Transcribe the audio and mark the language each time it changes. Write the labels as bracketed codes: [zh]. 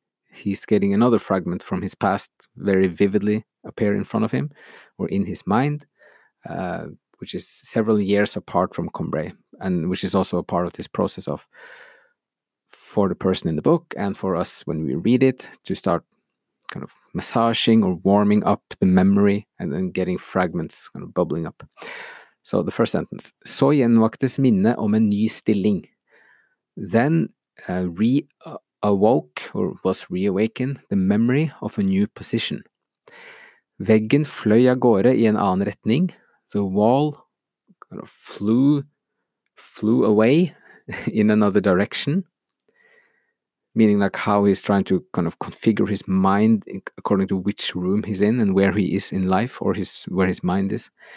[en] he's getting another fragment from his past very vividly appear in front of him or in his mind, which is several years apart from Combray, and which is also a part of this process of for the person in the book and for us when we read it to start kind of massaging or warming up the memory and then getting fragments kind of bubbling up. So the first sentence, [no] så gjenvaktes minnet om en ny stilling. [en] Then awoke or was reawakened the memory of a new position. [no] Veggen fløy av gårde I en annen retning. [en] The wall kind of flew away in another direction. Meaning like how he's trying to kind of configure his mind according to which room he's in and where he is in life or where his mind is.